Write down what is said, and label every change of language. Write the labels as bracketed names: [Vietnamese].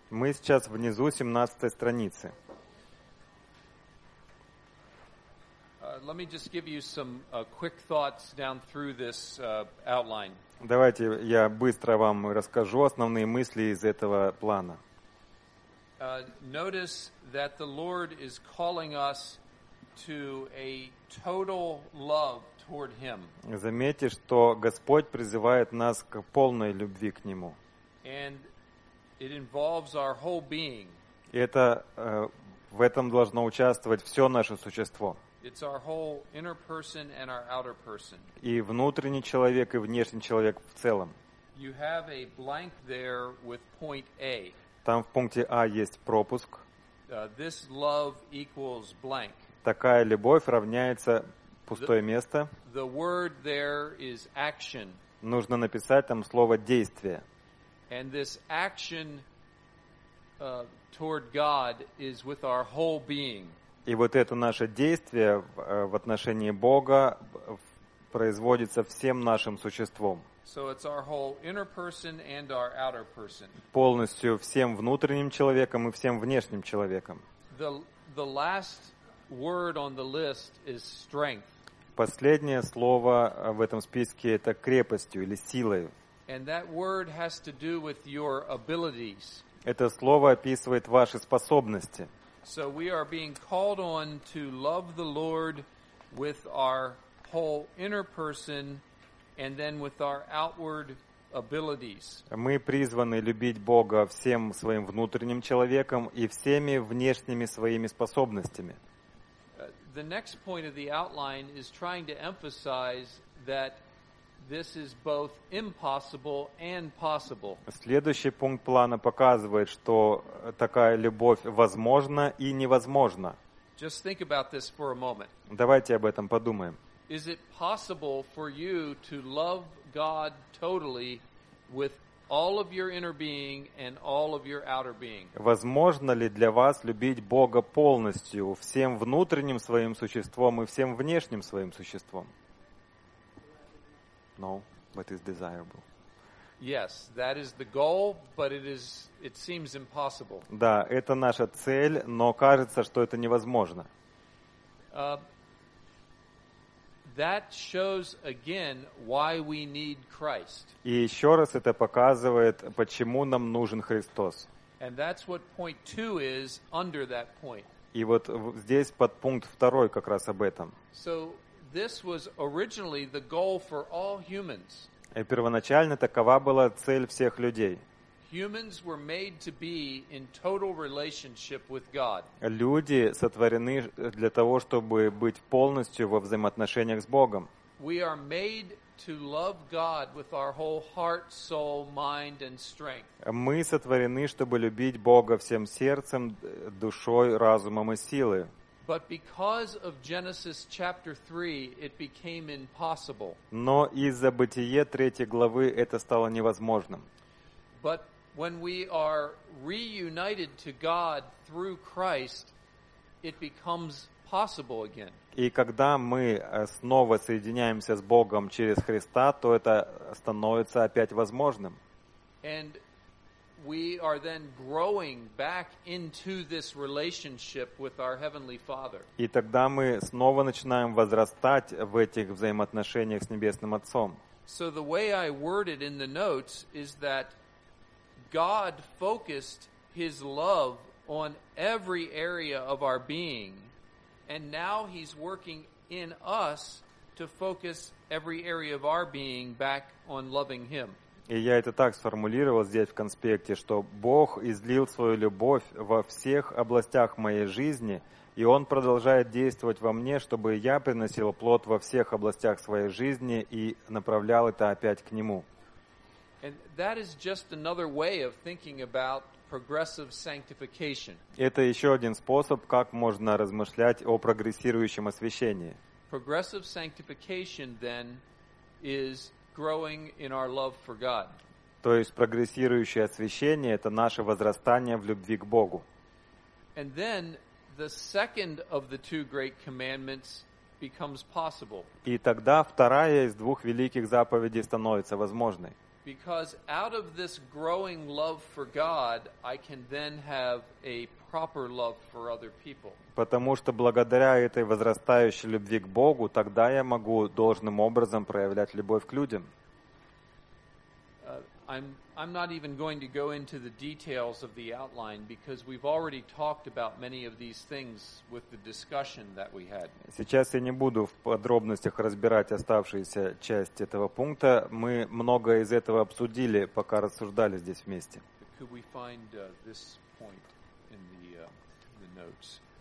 [Russian] Мы сейчас внизу 17-й страницы. [English] Let me just give you some quick thoughts down through this outline. [Russian] Давайте я быстро вам расскажу основные мысли из этого плана. [English] Notice that the Lord is calling us to a total love. [Russian] Заметьте, что Господь призывает нас к полной любви к Нему. [English] And it involves our whole being. [Russian] Это в этом должно участвовать все наше существо. [English] It's our whole inner person and our outer person. [Russian] И внутренний человек, и внешний человек в целом. [English] You have a blank there with point A. [Russian] Там в пункте А есть пропуск. [English] This love equals blank. [Russian] Такая любовь равняется пустое место. [English] The word there is action. [Russian] Нужно написать там слово «действие». [English] And this action toward God is with our whole being. [Russian] И вот это наше действие в отношении Бога производится всем нашим существом. [English] So it's our whole inner person and our outer person. [Russian] Полностью всем внутренним человеком и всем внешним человеком. [English] The last word on the list is strength. [Russian] Последнее слово в этом списке это крепостью или силой. [English] And that word has to do with your abilities. [Russian] Это слово описывает ваши способности. [English] So we are being called on to love the Lord with our whole inner person and then with our outward abilities. [Russian] Мы призваны любить Бога всем своим внутренним человеком и всеми внешними своими способностями. [English] The next point of the outline is trying to emphasize that this is both impossible and possible. [Russian] Следующий пункт плана показывает, что такая любовь возможна и невозможна. [English] Just think about this for a moment. [Russian] Давайте об этом подумаем. [English] Is it possible for you to love God totally with all of your inner being and all of your outer being? [Russian] Возможно ли для вас любить Бога полностью, всем внутренним своим существом и всем внешним своим существом? [English] No, but it's desirable. Yes, that is the goal, but it seems impossible. [Russian] Да, это наша цель, но кажется, что это невозможно. [English] That shows again why we need Christ. [Russian] И еще раз это показывает, почему нам нужен Христос. [English] And that's what point two is under that point. [Russian] И вот здесь под пункт второй как раз об этом. [English] So this was originally the goal for all humans. [Russian] И первоначально такова была цель всех людей. [English] Humans were made to be in total relationship with God. [Russian] Люди сотворены для того, чтобы быть полностью во взаимоотношениях с Богом. [English] We are made to love God with our whole heart, soul, mind, and strength. [Russian] Мы сотворены, чтобы любить Бога всем сердцем, душой, разумом и силой. [English] But because of Genesis chapter 3, it became impossible. [Russian] Но из-за Бытие 3 главы это стало невозможным. [English] But when we are reunited to God through Christ, it becomes possible again. [Russian] И когда мы снова соединяемся с Богом через Христа, то это становится опять возможным. [English] And we are then growing back into this relationship with our Heavenly Father. [Russian] И тогда мы снова начинаем возрастать в этих взаимоотношениях с Небесным Отцом. [English] So the way I worded in the notes is that God focused His love on every area of our being, and now He's working in us to focus every area of our being back on loving Him. [Russian] И я это так сформулировал здесь в конспекте, что Бог излил свою любовь во всех областях моей жизни, и Он продолжает действовать во мне, чтобы я приносил плод во всех областях своей жизни и направлял это опять к Нему. [English] And that is just another way of thinking about progressive sanctification. [Russian] Это еще один способ, как можно размышлять о прогрессирующем освящении. [English] Progressive sanctification then is growing in our love for God. [Russian] То есть прогрессирующее освящение — это наше возрастание в любви к Богу. [English] And then the second of the two great commandments becomes possible. [Russian] И тогда вторая из двух великих заповедей становится возможной. [English] Because out of this growing love for God, I can then have a proper love for other people. [Russian] Потому что благодаря этой возрастающей любви к Богу, тогда я могу должным образом проявлять любовь к людям. [English] I'm not even going to go into the details of the outline because we've already talked about many of these things with the discussion that we had. [Russian] Сейчас я не буду в подробностях разбирать оставшуюся часть этого пункта. Мы многое из этого обсудили, пока рассуждали здесь вместе. [English] Could we find this point in the notes?